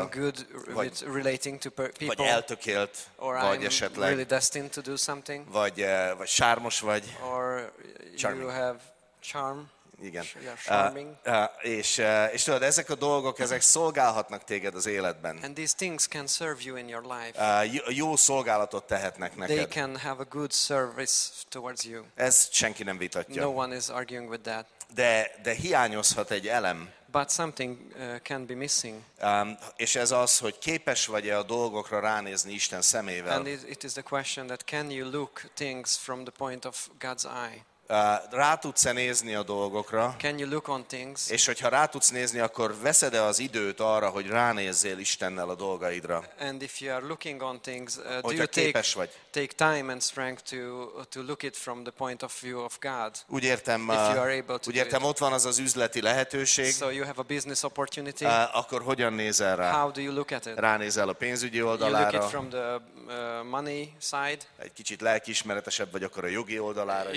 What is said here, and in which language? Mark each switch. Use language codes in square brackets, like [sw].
[en] Or I'm good with relating to people. [hu] Vagy eltökélt, vagy esetleg. [en] Really destined to do something. [hu] Vagy sármos vagy. [en] Or charming. You have charm. [hu] Igen. [en] Charming. [hu] És tudod, ezek a dolgok, ezek szolgálhatnak téged az életben. [en] And these things can serve you in your life. [hu] Jó szolgálatot tehetnek neked. [en] They can have a good service towards you. [hu] Ez senki nem vitatja. [en] No one is arguing with that. [hu] De hiányozhat egy elem. [en] But something can be missing. [hu] És ez az, hogy képes vagy-e a dolgokra ránézni Isten szemével. [en] And it is the question that can you look things from the point of God's eye? [hu] Rá tudsz-e nézni a dolgokra? [en] Can you look on things? [hu] És hogyha rá tudsz nézni, akkor veszed-e az időt arra, hogy ránézzél Istennel a dolgaidra? [en] And if you are looking on things, do you [hu] képes vagy? [en] Take time and strength to look it from the point of view of God. [hu] Úgy értem, [en] if you are able to, [hu] úgy értem, ott van az üzleti lehetőség. [en] So you have a business opportunity. [hu] Akkor hogyan nézel rá? [en] How do you look at it? [hu] Ránézel a pénzügyi oldalára? [en] You look it from the money side. [hu] Egy kicsit lelkiismeretesebb vagy akkor a jogi oldalára is.